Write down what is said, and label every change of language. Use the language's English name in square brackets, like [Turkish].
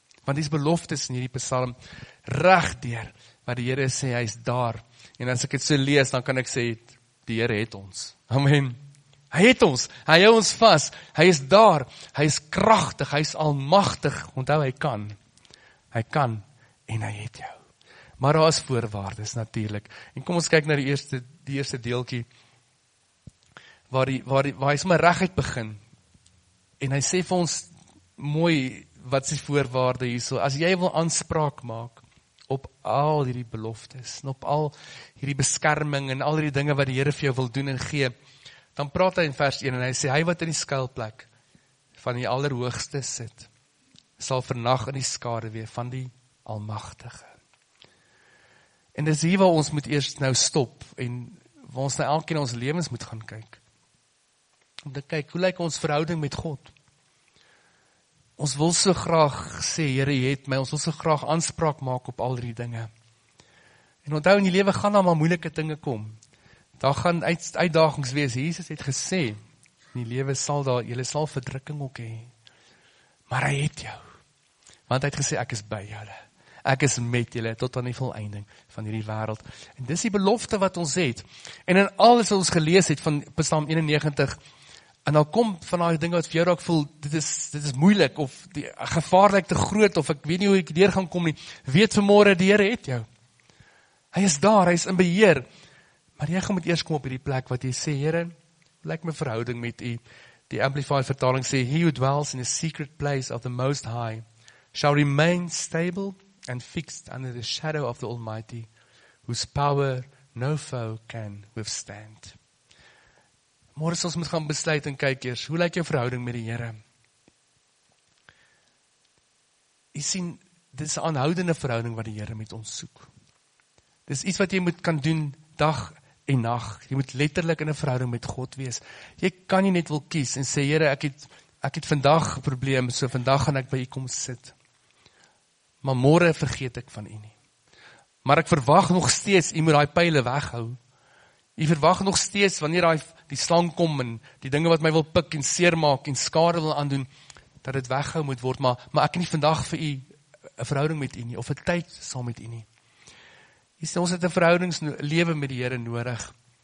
[Afrikaans] Want die beloftes in hierdie psalm, reg deur, waar die Here sê, Hy is daar. En as ek het so lees, dan kan ek sê, die Here het ons. Amen. Hy het ons, hy hou ons vas, hy is daar, hy is krachtig, hy is almachtig, onthou hy kan en hy het jou. Maar daar is voorwaardes natuurlijk. En kom ons kyk na die eerste deeltjie, waar hy sommer regheid begin. En hy sê vir ons mooi, wat is die voorwaarde hiersoos, as jy wil aanspraak maak op al hierdie beloftes, en op al hierdie beskerming en al die dinge wat die Here vir jou wil doen en gee, dan praat hy in vers 1 en hy sê, hy wat in die skuilplek van die Allerhoogste sit, sal vernag in die skaduwee van die Almagtige. En dis hier waar ons moet eerst nou stop, en waar ons nou elkeen ons lewens moet gaan kyk. Om te kyk, hoe lyk ons verhouding met God? Ons wil so graag sê, Here, jy het my, ons wil so graag aanspraak maak op al die dinge. En onthou, in die lewe gaan daar maar moeilike dinge kom. Daar gaan uitdagings wees. Jesus het gesê, in die lewe sal daar, jylle sal verdrukking ook hee. Maar hy het jou. Want hy het gesê, ek is by julle. Ek is met julle, tot aan die volleinding van hierdie wereld. En dis die belofte wat ons het. En in alles wat ons gelees het van Psalm 91, en dan kom van die dinge wat vir jou raak voel, dit is moeilik, of die gevaar lyk te groot, of ek weet nie hoe ek deur gaan kom nie. Weet vanmorgen, die Here het jou. Hy is daar, hy is in beheer. Maar jy gaan moet eerst kom op die plek wat jy sê, Here, lyk my verhouding met jy. Die Amplified vertaling sê, [English] He who dwells in the secret place of the Most High shall remain stable and fixed under the shadow of the Almighty, whose power no foe can withstand. [Afrikaans] Môre ons moet gaan besluit en kyk eers, hoe lyk jou verhouding met die Here? Jy sien, dit is 'n aanhoudende verhouding wat die Here met ons soek. Dit is iets wat jy moet kan doen dag en nacht, jy moet letterlik in 'n verhouding met God wees. Jy kan nie net wil kies en sê, Here, ek het vandag probleem, so vandag gaan ek by jy kom sit. Maar môre vergeet ek van jy nie. Maar ek verwag nog steeds, jy moet die pijle weghou. Jy verwag nog steeds, wanneer die slang kom en die dinge wat my wil pik en seer maak en skade wil aandoen, dat dit weghou moet word, maar ek nie vandag vir jy een verhouding met jy nie, of 'n tyd saam met jy nie. Jy sê, ons het een verhoudingslewe met die Here nodig.